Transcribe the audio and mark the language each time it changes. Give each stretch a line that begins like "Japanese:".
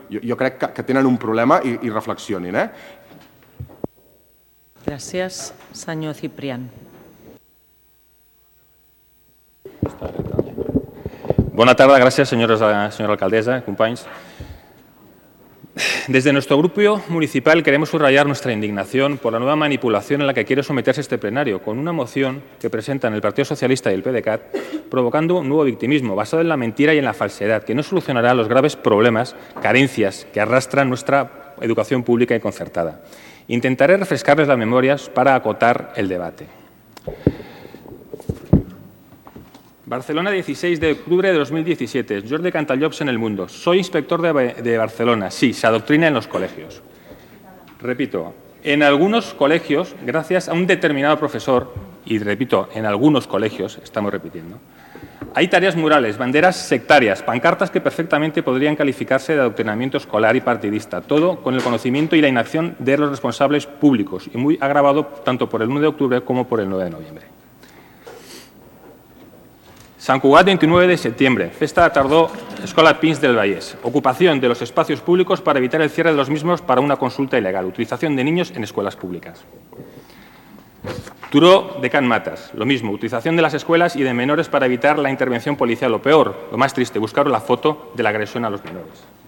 Catalan: Jo crec que tenen un problema i reflexionin. Gràcies, senyor Ciprián. Bona tarda, gràcies, senyora alcaldessa, companys.
Spanish: Desde nuestro grupo municipal queremos subrayar nuestra indignación por la nueva manipulación en la que quiere someterse este plenario, con una moción que presentan el Partido Socialista y el PDeCAT, provocando un nuevo victimismo basado en la mentira y en la falsedad, que no solucionará los graves problemas, carencias que arrastra nuestra educación pública y concertada. Intentaré refrescarles las memorias para acotar el debate. Barcelona, 16 de octubre de 2017. Jordi Cantallops en El Mundo. Soy inspector de Barcelona. Sí, se adoctrina en los colegios. Repito, en algunos colegios, gracias a un determinado profesor, y repito, en algunos colegios, estamos repitiendo, hay tareas murales, banderas sectarias, pancartas que perfectamente podrían calificarse de adoctrinamiento escolar y partidista, todo con el conocimiento y la inacción de los responsables públicos, y muy agravado tanto por el 1 de octubre como por el 9 de noviembre. Sant Cugat, 29 de septiembre. Festa de Tardó, Escola Pins del Vallès. Ocupación de los espacios públicos para evitar el cierre de los mismos para una consulta ilegal. Utilización de niños en escuelas públicas. Turó de Can Matas, lo mismo. Utilización de las escuelas y de menores para evitar la intervención policial. Lo peor, lo más triste, buscar la foto de la agresión a los menores.